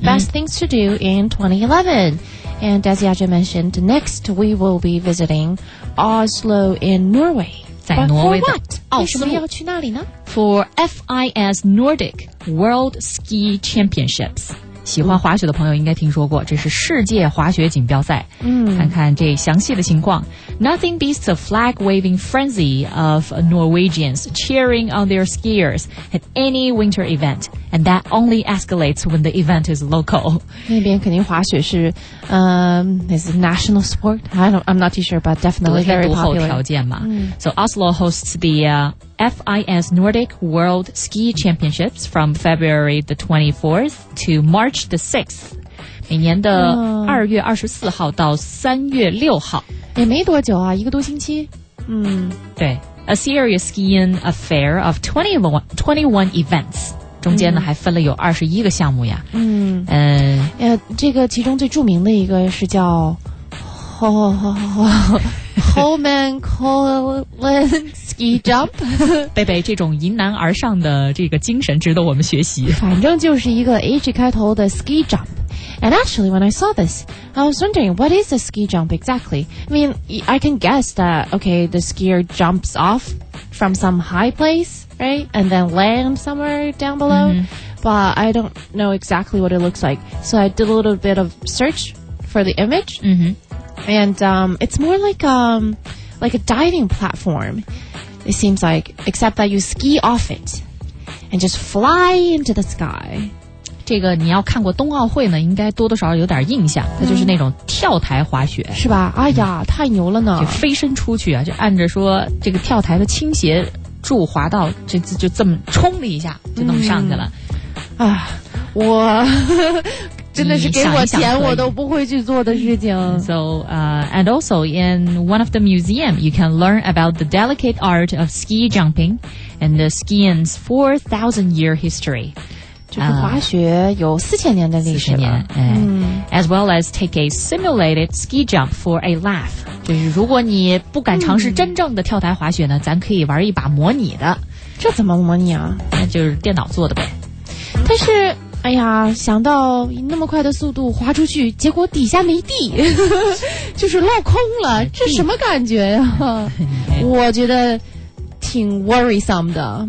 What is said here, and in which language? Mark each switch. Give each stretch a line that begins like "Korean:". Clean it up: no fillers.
English: Best things to do in 2011. And as Yaja mentioned, next we will be visiting Oslo in Norway.
Chinese: 在挪威的 Oslo. 为什么要去那里呢？
English: For FIS Nordic World Ski Championships.
Chinese: 喜欢滑雪的朋友应该听说过，这是世界滑雪锦标赛。嗯，看看这详细的情况。
English: Nothing beats the flag-waving frenzy of Norwegians cheering on their skiers at any winter event, and that only escalates when the event is local.
Chinese: 那边肯定滑雪是
English: is a national sport. I'm not too sure, but definitely very popular.
Chinese: 独厚条件嘛。嗯。
English: So Oslo hosts the FIS Nordic World Ski Championships from February the 24th to March the 6th.
Chinese: 每年的2月24号到3月6号。也没多久啊，一个多星期。嗯，对 ，
English: a serious skiing affair of 21 events，
Chinese: 中间呢、嗯、还分了有21个项目呀。嗯，这个其中最著名的一个是叫 Holman Colin Ski Jump。贝贝，这种迎难而上的这个精神值得我们学习。反正就是一个 H 开头的 Ski Jump。
English: And actually, when I saw this, I was wondering, what is a ski jump exactly? I mean, I can guess that, okay, the skier jumps off from some high place, right? And then land somewhere down below. Mm-hmm. But I don't know exactly what it looks like. So I did a little bit of search for the image. Mm-hmm. And it's more like a diving platform, it seems like, except that you ski off it and just fly into the sky.
Chinese: 这个你要看过冬奥会呢，应该多多少少有点印象，它就是那种跳台滑雪，是吧？哎呀，太牛了呢！就飞身出去啊，就按着说这个跳台的倾斜柱滑道，就这么冲了一下，就弄上去了。啊，我真的是给我钱我都不会去做的事情。
English: So, and also in one of the museum, you can learn about the delicate art of ski jumping and the skiing's 4,000-year history.
Chinese: 就是滑雪有四千年的历史了、嗯、
English: As well as take a simulated ski jump for a laugh
Chinese: 就是如果你不敢尝试真正的跳台滑雪呢、嗯、咱可以玩一把模拟的这怎么模拟啊那就是电脑做的呗但是哎呀想到那么快的速度滑出去结果底下没地就是落空了这什么感觉呀、啊、我觉得挺 worrisome 的